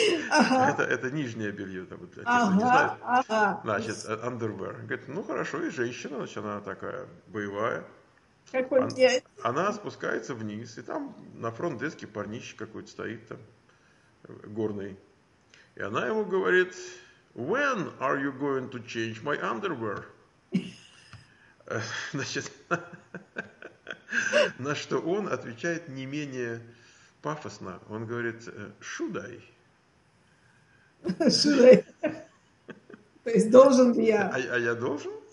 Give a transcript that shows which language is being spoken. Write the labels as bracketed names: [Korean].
[Russian] Это нижнее белье. Значит, underwear. Говорит, ну хорошо, и женщина, значит, она такая боевая. Она спускается вниз, и там на фронт-деске парнище какой-то стоит там, горный. И она ему говорит, [English] when are you going to change my underwear? [Russian] Значит, на что он отвечает не менее пафосно. Он говорит, [English] should I? Should I? [Russian] То есть должен ли я? А я должен?